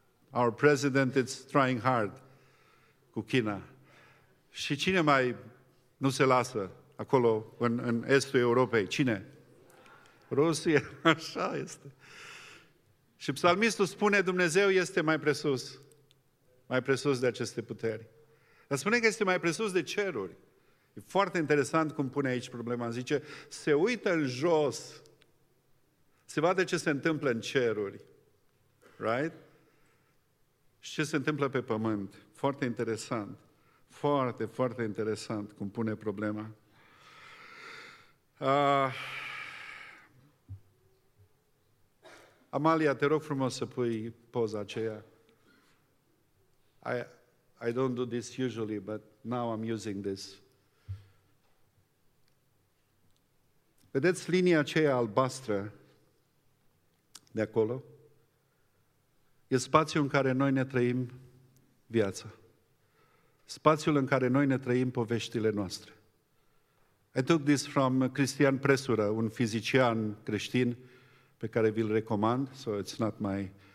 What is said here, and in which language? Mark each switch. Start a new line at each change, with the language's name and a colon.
English: Our president is trying hard cu China.
Romanian: Și cine mai nu se lasă acolo în estul Europei? Cine? Rusia, așa este. Și psalmistul spune, Dumnezeu este mai presus de aceste puteri. Dar spune că este mai presus de ceruri. E foarte interesant cum pune aici problema. Zice, se uită în jos, se vede ce se întâmplă în ceruri. Right? Și ce se întâmplă pe pământ. Foarte interesant. Foarte, foarte interesant cum pune problema. Amalia, te rog frumos să pui poza aceea.
English: I don't do this usually, but now I'm using this.
Romanian: Vedeți linia aceea albastră de acolo? E spațiul în care noi ne trăim viața. Spațiul în care noi ne trăim poveștile noastre.
English: I took this from Cristian Presură,
Romanian: un fizician creștin pe care vi-l recomand,
English: so it's not my...